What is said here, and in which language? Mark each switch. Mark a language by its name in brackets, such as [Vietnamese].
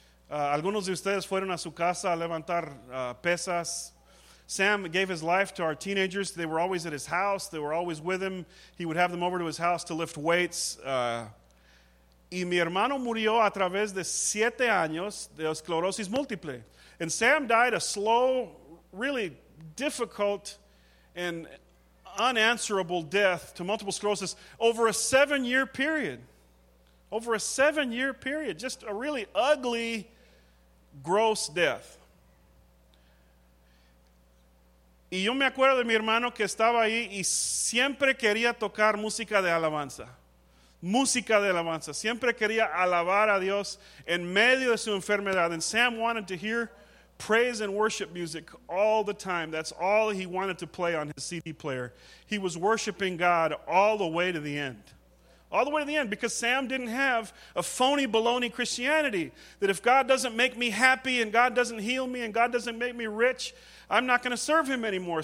[Spanish] Algunos de ustedes fueron a su casa a levantar pesas. [English] Sam gave his life to our teenagers. They were always at his house. They were always with him. He would have them over to his house to lift weights. [Spanish] Y mi hermano murió a través de 7 años de esclerosis múltiple. [English] And Sam died a slow, really difficult and unanswerable death to multiple sclerosis over a 7-year period. Over a 7-year period, just a really ugly, gross death. [Spanish] Y yo me acuerdo de mi hermano que estaba ahí y siempre quería tocar música de alabanza. Música de alabanza. Siempre quería alabar a Dios en medio de su enfermedad. [English] And Sam wanted to hear praise and worship music all the time. That's all he wanted to play on his CD player. He was worshiping God all the way to the end. All the way to the end, because Sam didn't have a phony baloney Christianity that if God doesn't make me happy and God doesn't heal me and God doesn't make me rich, I'm not going to serve him anymore.